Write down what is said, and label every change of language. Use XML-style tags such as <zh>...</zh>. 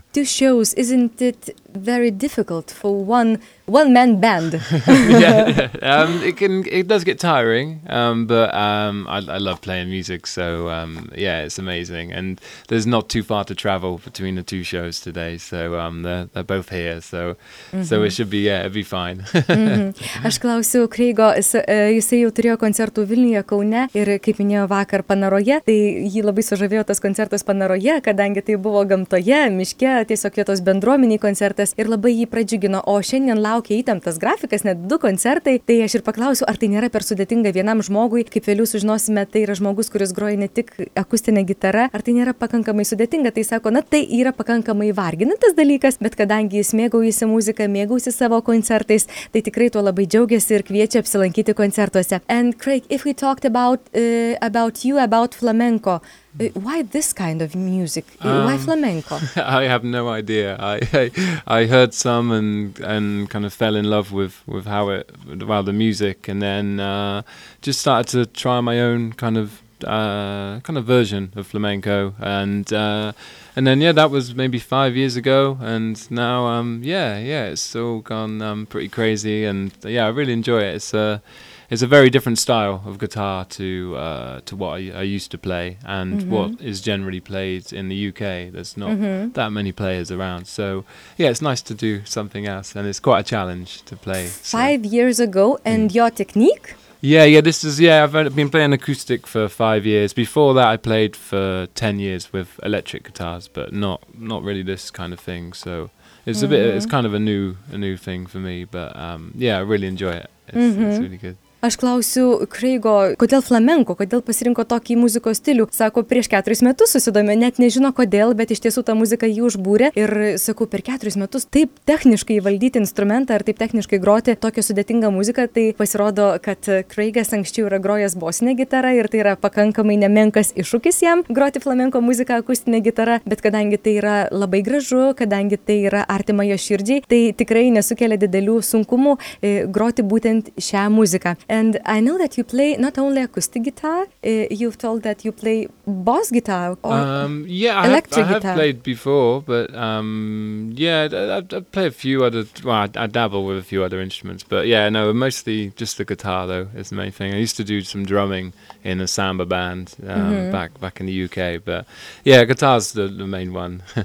<en>Two shows, isn't it very difficult for one-man band? it does get tiring, but I love playing music, so it's amazing. And there's not too far to travel between the two shows today, so they're both here, so it should be, it'd be fine.</en> <lt>Aš klausiu Kreigo, jisai jau turėjo koncertų Vilniuje, Kaune, ir kaip minėjo vakar Panaroje, tai jį labai sužavėjo tas koncertas Panaroje, kadangi tai buvo gamtoje, miške, tiesiog vietos bendruomeniai koncertas, ir labai jį pradžiugino, o šiandien laukia įtemptas grafikas, net du koncertai, tai aš ir paklausiu, ar tai nėra per sudėtinga vienam žmogui, kaip vėliau sužinosime, tai yra žmogus, kuris groja ne tik akustinę gitarą, ar tai nėra pakankamai sudėtinga, tai sako, na tai yra pakankamai varginantis dalykas, bet kadangi jis mėgaujasi muzika, mėgaujasi savo koncertais, tai tikrai tuo labai džiaugiasi ir kviečia apsilankyti koncertuose.</lt> <en>And Craig, if we talked about flamenco, why this kind of music? Why flamenco? I have no idea. I heard some and kind of fell in love with how it, well, the music, and then just started to try my own kind of version of flamenco, and then that was maybe 5 years ago, and now it's all gone pretty crazy, and I really enjoy it. It's a very different style of guitar to what I used to play, and what is generally played in the UK. There's not that many players around. So, it's nice to do something else, and it's quite a challenge to play. So. 5 years ago, and your technique? I've been playing acoustic for 5 years. Before that, I played for 10 years with electric guitars, but not really this kind of thing. So it's it's kind of a new thing for me, but I really enjoy it. It's really good.</en> <lt>Aš klausiu Kreigo, kodėl flamenko, kodėl pasirinko tokį muzikos stilių. Sako, prieš 4 metus susidomė, net nežino kodėl, bet iš tiesų ta muzika jį užbūrė. Ir sakau, per 4 metus taip techniškai valdyti instrumentą ar taip techniškai groti tokią sudėtingą muziką, tai pasirodo, kad Kreigas anksčiau yra grojęs bosinę gitarą ir tai yra pakankamai nemenkas iššūkis jam groti flamenko muziką akustinę gitarą. Bet kadangi tai yra labai gražu, kadangi tai yra artima jo širdžiai, tai tikrai nesukelia didelių sunkumų groti būtent šią muziką.</lt> <en>And I know that you play not only acoustic guitar, you've told that you play bass guitar or electric guitar. I have played before, but I play a few other, I dabble with a few other instruments, but mostly just the guitar though is the main thing. I used to do some drumming in a samba band back in the UK, but guitar's the main one.</en>